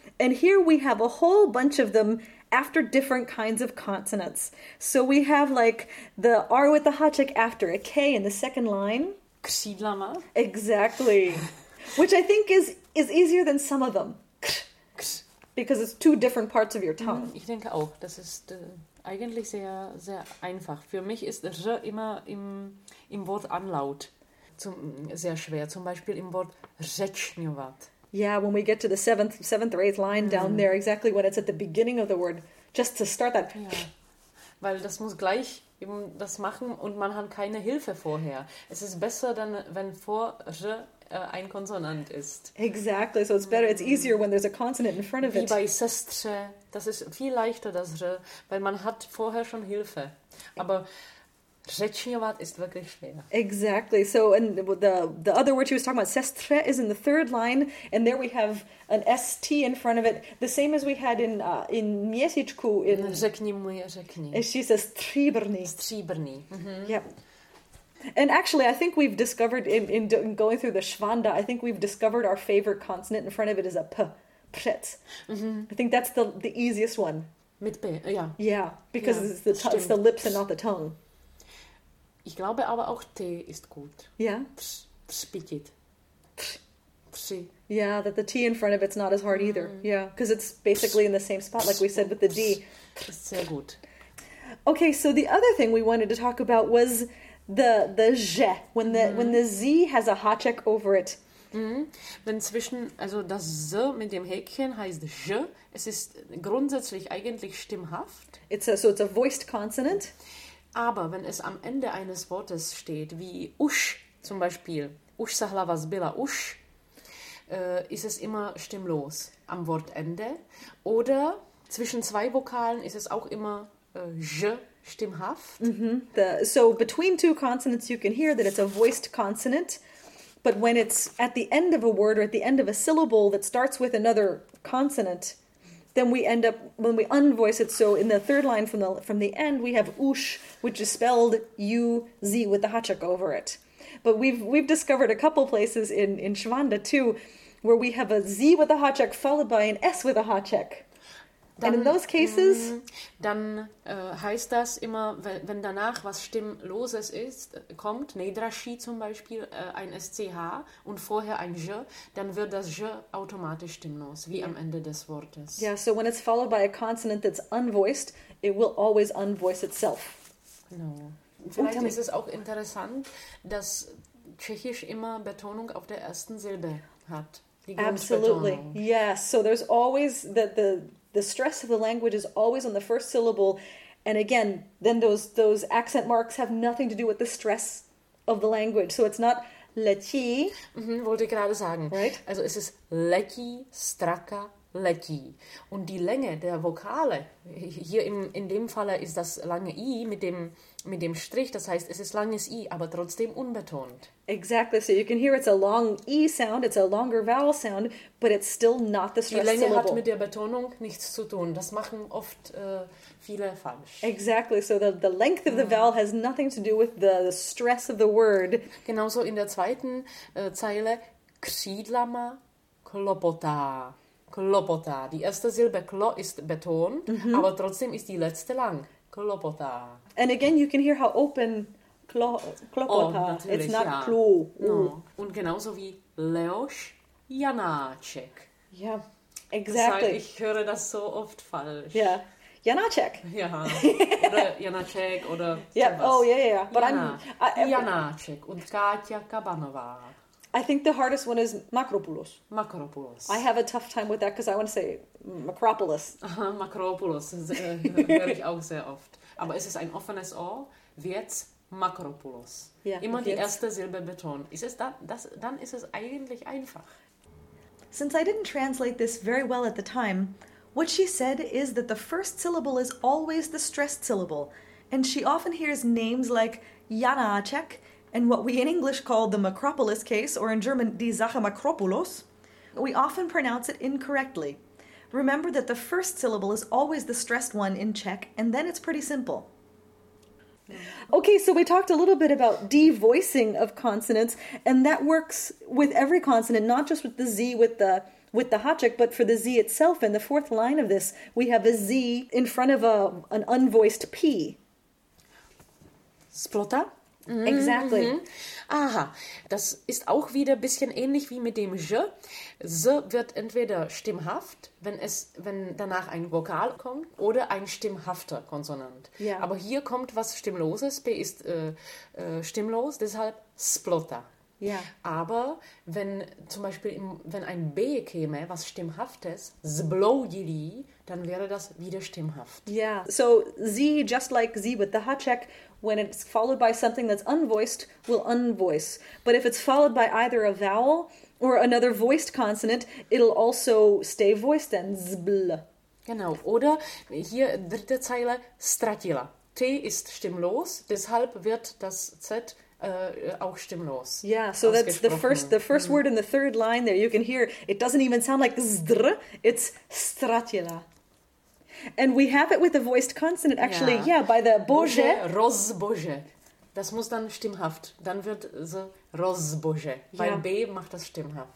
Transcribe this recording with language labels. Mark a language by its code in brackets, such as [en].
[en] And here we have a whole bunch of them after different kinds of consonants. So we have like the R with the háček after a K in the second line. [cs] Křídlama. [en] Exactly. Which I think is easier than some of them. Because it's two different parts of your tongue. [de] Ich denke auch, das ist eigentlich sehr, sehr einfach. Für mich ist R immer im Wort Anlaut sehr schwer. Zum Beispiel im Wort řečňovat. [en] Yeah, when we get to the seventh or eighth line down there, exactly when it's at the beginning of the word, just to start that. [de] Ja. Weil das muss gleich eben das machen und man hat keine Hilfe vorher. Es ist besser dann, wenn vor R ein Konsonant ist. [en] Exactly, so it's better, it's easier when there's a consonant in front of [de] Wie [en] it. [de] Wie bei sestre, das ist viel leichter, das R, weil man hat vorher schon Hilfe. Aber řečňovat ist wirklich schwer. [en] Exactly, so and the other word she was talking about, sestre, is in the third line, and there we have an ST in front of it, the same as we had in měsíčku. In [cs] řekni mu, řekni. [en] And she says stříbrný. [cs] Stříbrný. Mm-hmm. [en] Yep. And actually, I think we've discovered, in going through the Schwanda, I think we've discovered our favorite consonant in front of it is a P, Pretz. Mm-hmm. I think that's the easiest one. [de] Mit P, ja. [en] Yeah, because yeah, it's the lips and not the tongue. [de] Ich glaube aber auch T ist gut. [en] Yeah? Tspitit. Tsch. Yeah, that the T in front of it's not as hard either. Mm. Yeah, because it's basically in the same spot, like we said with the D. [de] Sehr gut. [en] Okay, so the other thing we wanted to talk about was the z, when the z has a háček over it. Mm-hmm. [de] Wenn zwischen, also das z mit dem Häkchen heißt z, es ist grundsätzlich eigentlich stimmhaft. [en] It's a voiced consonant. [de] Aber wenn es am Ende eines Wortes steht, wie usch zum Beispiel, [cs] usch sa hlava zbyla, [de] usch, ist es immer stimmlos am Wortende. Oder zwischen zwei Vokalen ist es auch immer z. Stimmhaft. Mm-hmm. [en] So between two consonants, you can hear that it's a voiced consonant. But when it's at the end of a word or at the end of a syllable that starts with another consonant, then we end up, when we unvoice it, so in the third line from the end, we have ush, which is spelled U-Z with the háček over it. But we've discovered a couple places in Schwanda too, where we have a Z with a háček followed by an S with a háček. [de] Dann, [en] and in those cases, [de] dann heißt das immer, wenn danach was Stimmloses ist, kommt, Nedraschi zum Beispiel, ein SCH und vorher ein J, dann wird das J automatisch stimmlos, wie am Ende des Wortes. [en] Yeah, so when it's followed by a consonant that's unvoiced, it will always unvoice itself. No. [de] Vielleicht ist es auch interessant, dass Tschechisch immer Betonung auf der ersten Silbe hat. [en] Absolutely. Yes, so there's always the stress of the language is always on the first syllable, and again, then those accent marks have nothing to do with the stress of the language. So it's not letí. [de] Mm-hmm, wollte gerade sagen. [en] Right? [de] Also es ist [cs] letí, straka, letí. [de] Und die Länge der Vokale, hier in dem Falle ist das lange I mit dem Strich, das heißt, es ist langes I, aber trotzdem unbetont. [en] Exactly, so you can hear it's a long E sound, it's a longer vowel sound, but it's still not the stressed syllable. [de] Die Länge hat mit der Betonung nichts zu tun. Das machen oft viele falsch. [en] Exactly, so the length of the vowel has nothing to do with the stress of the word. [de] Genauso in der zweiten Zeile, [cs] křídlama klopotá. [de] Klopotá. Die erste Silbe klo ist betont, aber trotzdem ist die letzte lang. [cs] Klopotá. [en] And again, you can hear how open klopotá. Oh, it's not [de] ja. [cs] Klo. [de] No. Und genauso wie Leoš Janáček. [en] Yeah, exactly. [de] Das heißt, ich höre das so oft falsch. [en] Yeah. Janáček. [de] Ja. Oder Janáček oder [en] yeah. [de] Sowas. [en] Oh, yeah, yeah, yeah. [de] Janáček und Káťa Kabanová. [en] I think the hardest one is Makropoulos. Makropoulos. I have a tough time with that because I want to say Makropoulos. [de] Makropoulos. Höre ich auch sehr oft. Aber es ist ein offenes O. Wird's Makropoulos. [en] Yeah, [de] immer die erste Silbe betont. Ist es das? Dann ist es eigentlich einfach. [en] Since I didn't translate this very well at the time, what she said is that the first syllable is always the stressed syllable. And she often hears names like Janáček, and what we in English call the Makropoulos case, or in German, die Sache Makropoulos, we often pronounce it incorrectly. Remember that the first syllable is always the stressed one in Czech, and then it's pretty simple. Okay, so we talked a little bit about devoicing of consonants, and that works with every consonant, not just with the Z with the háček, but for the Z itself. In the fourth line of this, we have a Z in front of an unvoiced P. Splota? Exactly. [de] Aha, das ist auch wieder ein bisschen ähnlich wie mit dem J. S wird entweder stimmhaft, wenn danach ein Vokal kommt, oder ein stimmhafter Konsonant. [en] Yeah. [de] Aber hier kommt was Stimmloses. P ist stimmlos, deshalb splotter. [en] Yeah. [de] Aber wenn zum Beispiel wenn ein B käme, was stimmhaftes, zbloudili, dann wäre das wieder stimmhaft. [en] Yeah. So Z, just like Z with the háček, when it's followed by something that's unvoiced, will unvoice. But if it's followed by either a vowel or another voiced consonant, it'll also stay voiced then. Zbl. [de] Genau. Oder hier dritte Zeile, stratila. T ist stimmlos, deshalb wird das Z auch stimmlos. [en] Yeah, so that's the first word in the third line there. You can hear it doesn't even sound like zdr, it's stratila. And we have it with a voiced consonant, actually, yeah by the bože. Rozbože. [de] Das muss dann stimmhaft. Dann wird so rozbože. [en] Yeah. [de] Bei B macht das stimmhaft.